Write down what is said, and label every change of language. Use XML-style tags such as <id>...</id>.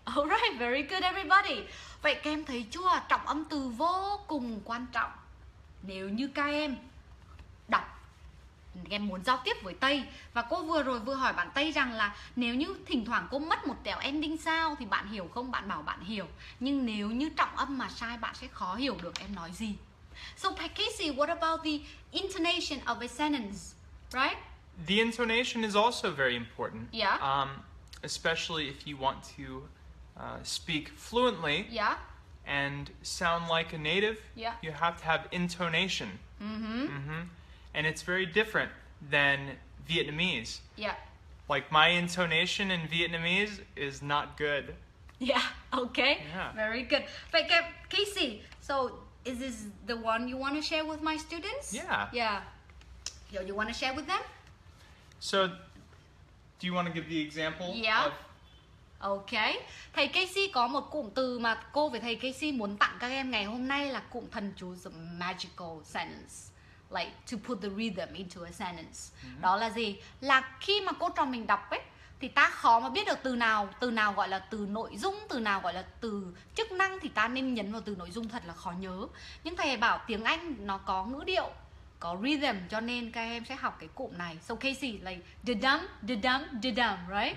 <en>Alright, very good everybody.</en> <vi>Vậy các em thấy chưa? Trọng âm từ vô cùng quan trọng. Nếu như các em đọc, các em muốn giao tiếp với Tây, và cô vừa rồi hỏi bạn Tây rằng là nếu như thỉnh thoảng cô mất một tẹo ending sao thì bạn hiểu không? Bạn bảo bạn hiểu. Nhưng nếu như trọng âm mà sai, bạn sẽ khó hiểu được em nói gì.</vi> <en>So Kasey, what about the intonation of a sentence? Right? The intonation is also very important. Yeah. Especially if you want to speak fluently. Yeah. And sound like a native. Yeah. You have to have intonation. Mm-hmm. Mm-hmm. And it's very different than Vietnamese. Yeah. Like my intonation in Vietnamese is not good. Yeah. Okay. Yeah. have. Very good. But Kasey, so is this the one you want to share with my students? Yeah. You want to share with them? So, do you want to give the example? Yeah. Okay.</en> <vi>Thầy Kasey có một cụm từ mà cô với thầy Kasey muốn tặng các em ngày hôm nay là cụm thần chú</vi> <en>the magical sentence. Like to put the rhythm into a sentence.</en> <vi>Mm-hmm. Đó là gì? Là khi mà cô trò mình đọc ấy, thì ta khó mà biết được từ nào gọi là từ nội dung, từ nào gọi là từ chức năng thì ta nên nhấn vào từ nội dung, thật là khó nhớ. Nhưng thầy bảo tiếng Anh nó có ngữ điệu, có rhythm, cho nên các em sẽ học cái cụm này.</vi> <en>So Kasey, like da-dum, da-dum, da-dum, right?</en>